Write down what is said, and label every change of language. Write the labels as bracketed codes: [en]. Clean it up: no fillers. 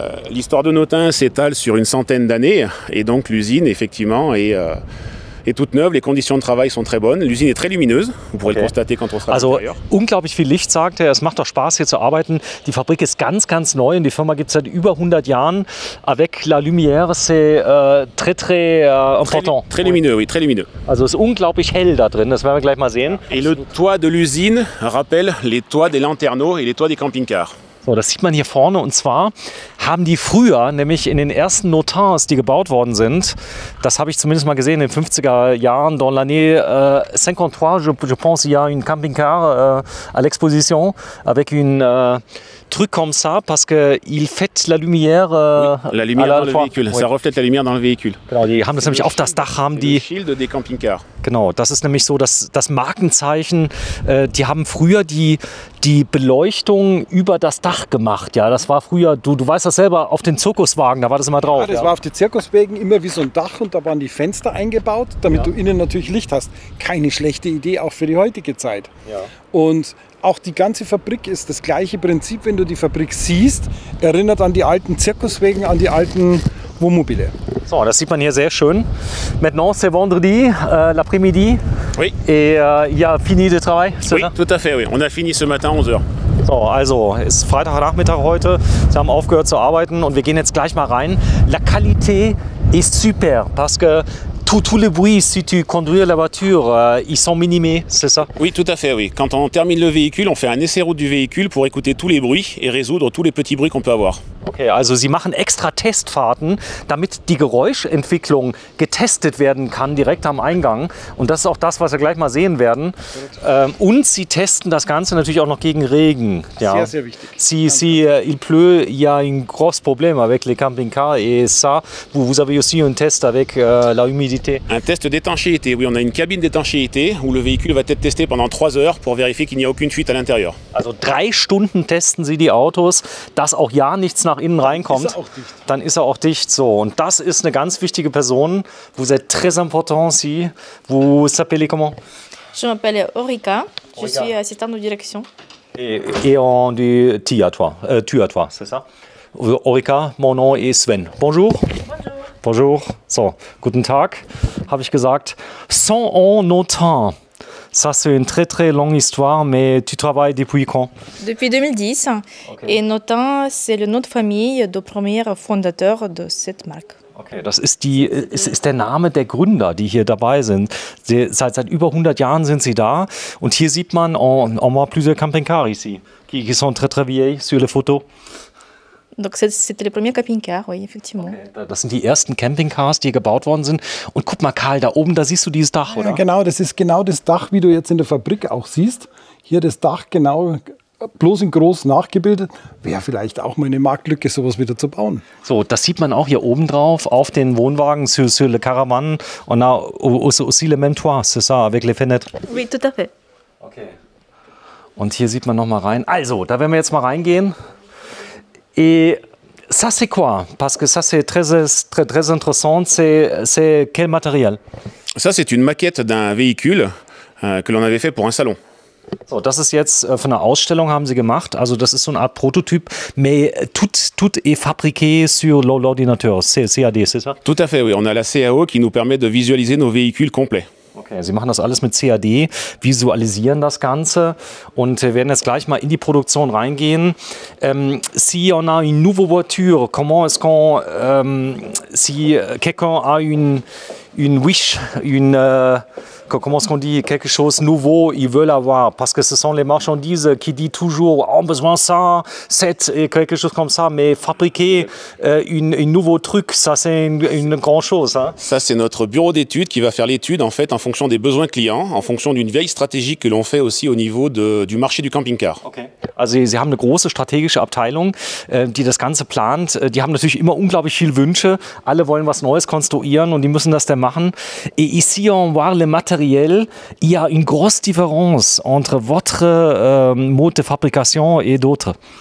[fr] L'histoire de Notin s'étale sur une centaine d'années et donc l'usine effectivement est toute neuve, les conditions de travail sont très bonnes, l'usine est très lumineuse, vous pourrez okay. le constater quand on sera also, à l'intérieur. [de] Unglaublich viel Licht, sagt er, es macht doch Spaß hier zu arbeiten, die Fabrik ist ganz ganz neu und die Firma gibt es seit über 100 Jahren, [fr] avec la lumière c'est très très important. Très lumineux, oui, très lumineux. [de] Also es ist unglaublich hell da drin, das werden wir gleich mal sehen. [fr] Et le toit de l'usine rappelle les toits des lanterneaux et les toits des camping-cars. [de] So, das sieht man hier vorne und zwar haben die früher, nämlich in den ersten Notins, die gebaut worden sind, das habe ich zumindest mal gesehen in den 50er Jahren, [fr] dans l'année 53, je pense, il y a un camping-car à l'exposition, avec un truc comme ça, parce qu'il fait la lumière. Oui, la lumière dans le véhicule, oui. Ça reflète la lumière dans le véhicule. [de] Genau, die haben das nämlich auf das Dach, haben die. Das Schild des Camping-Cars. Genau, das ist nämlich so, dass das Markenzeichen, die haben früher die Beleuchtung über das Dach gemacht. Ja, das war früher, du weißt das selber, auf den Zirkuswagen, da war das immer drauf. Ja, das war auf die Zirkuswagen immer wie so ein Dach und da waren die Fenster eingebaut, damit du innen natürlich Licht hast. Keine schlechte Idee, auch für die heutige Zeit. Ja. Und auch die ganze Fabrik ist das gleiche Prinzip, wenn du die Fabrik siehst, erinnert an die alten Zirkuswagen, an die alten Wohnmobile. So, das sieht man hier sehr schön. [fr] Maintenant, c'est vendredi, l'après-midi. Oui. Et il y a fini de travail, c'est ça? Oui, tout à fait, oui. On a fini ce matin 11h. [de] So, also, ist Freitagnachmittag heute. Sie haben aufgehört zu arbeiten und wir gehen jetzt gleich mal rein. [fr] La qualité est super, parce que tout le bruit, si tu conduis la voiture, ils sont minimés, c'est ça? Oui, tout à fait, oui. Quand on termine le véhicule, on fait un essai route du véhicule pour écouter tous les bruits et résoudre tous les petits bruits qu'on peut avoir. [de] Okay, also Sie machen extra Testfahrten, damit die Geräuschentwicklung getestet werden kann, direkt am Eingang. Und das ist auch das, was wir gleich mal sehen werden. Und Sie testen das Ganze natürlich auch noch gegen Regen. Ja. Sehr, sehr wichtig. [fr] Il pleut, il y a un gros problème avec les camping-cars. Et ça, vous avez aussi un test avec la humidité. Un test d'étanchéité, oui. On a une cabine d'étanchéité où le véhicule va être testé pendant 3 heures pour vérifier qu'il n'y a aucune fuite à l'intérieur. [de] Also 3 Stunden testen Sie die Autos, dass auch ja nichts nach innen reinkommt, dann ist er auch dicht. So, und das ist eine ganz wichtige Person. [fr] Vous êtes très important ici. Vous s'appelez comment? Je m'appelle Orica. Je suis assistant de direction. Et on dit tu à toi, c'est ça? Orica, mon nom est Sven. Bonjour. Bonjour. Bonjour. [de] So, guten Tag, habe ich gesagt. [fr] Sans en notant. Ça, c'est une très, très longue histoire, mais tu travailles depuis quand? Depuis 2010. Okay. Et Notin, c'est le nom de famille du premier fondateur de cette marque. [de] Okay, das ist die, ist der Name der Gründer, die hier dabei sind. Seit über 100 Jahren sind sie da. Und hier sieht man, [fr] on voit plusieurs camping-cars ici, qui sont très, très vieilles sur les photos. Donc c'était le premier camping-car, oui, effectivement. [de] Okay, das sind die ersten Camping-Cars, die hier gebaut worden sind. Und guck mal, Karl, da oben, da siehst du dieses Dach, oder? Ja, genau, das ist genau das Dach, wie du jetzt in der Fabrik auch siehst. Hier das Dach genau, bloß in groß nachgebildet. Wäre vielleicht auch mal eine Marktlücke, sowas wieder zu bauen. So, das sieht man auch hier oben drauf, auf den Wohnwagen, [fr] sur le caravan. On a aussi le même toit, c'est ça, avec les fenêtres. Oui, tout à fait. Okay. [de] Und hier sieht man nochmal rein. Also, da werden wir jetzt mal reingehen. [fr] Et ça c'est quoi? Parce que ça c'est très, très, très intéressant, c'est quel matériel? Ça c'est une maquette d'un véhicule que l'on avait fait pour un salon. [de] So, das ist jetzt von einer Ausstellung haben sie gemacht, also das ist so eine Art Prototyp, [fr] mais tout est fabriqué sur l'ordinateur, CAD, c'est ça? Tout à fait, oui, on a la CAO qui nous permet de visualiser nos véhicules complets. [de] Okay, Sie machen das alles mit CAD, visualisieren das Ganze und werden jetzt gleich mal in die Produktion reingehen. [fr] Si on a une nouvelle voiture, comment est-ce qu'on... si quelqu'un a une wish, une... comment est-ce qu'on dit, quelque chose nouveau, il veut l'avoir, parce que ce sont les marchandises qui disent toujours, oh, on a besoin de ça, cette, quelque chose comme ça, mais fabriquer un nouveau truc, ça c'est une grande chose. Hein? Ça c'est notre bureau d'études qui va faire l'étude en fait en fonction des besoins clients, en fonction d'une vieille stratégie que l'on fait aussi au niveau du marché du camping-car. Okay. [de] Also Sie haben eine große strategische Abteilung, die das Ganze plant, die haben natürlich immer unglaublich viele Wünsche, alle wollen was Neues konstruieren und die müssen das dann machen. [fr] Et ici on voit le matériel. Il y a une grosse différence entre votre mode de fabrication et d'autres.